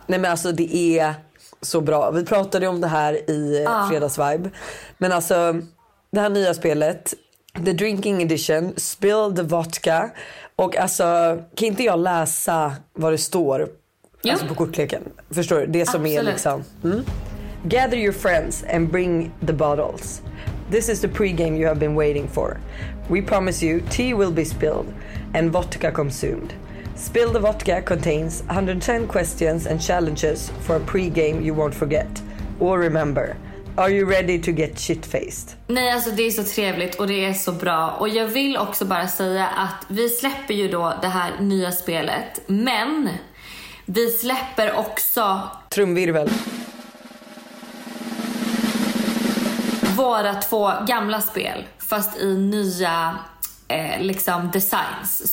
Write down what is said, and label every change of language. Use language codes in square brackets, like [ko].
[sv] Nej, men alltså det är så bra. Vi pratade om det här i fredagsvibe. Men alltså det här nya spelet, The Drinking Edition, Spill the Vodka. Och alltså, kan inte jag läsa vad det står? Jo. Alltså på kortleken, förstår du? Det som absolut. Är liksom... Mm? [en] Gather your friends and bring the bottles. This is the pregame you have been waiting for. We promise you tea will be spilled and vodka consumed. Spill the Vodka contains 110 questions and challenges for a pregame you won't forget. Or remember, are you ready to get shitfaced? [sv] Nej, alltså det är så trevligt och det är så bra. Och jag vill också bara säga att vi släpper ju då det här nya spelet, men... Vi släpper också... Trumvirvel. Våra två gamla spel, fast i nya liksom designs.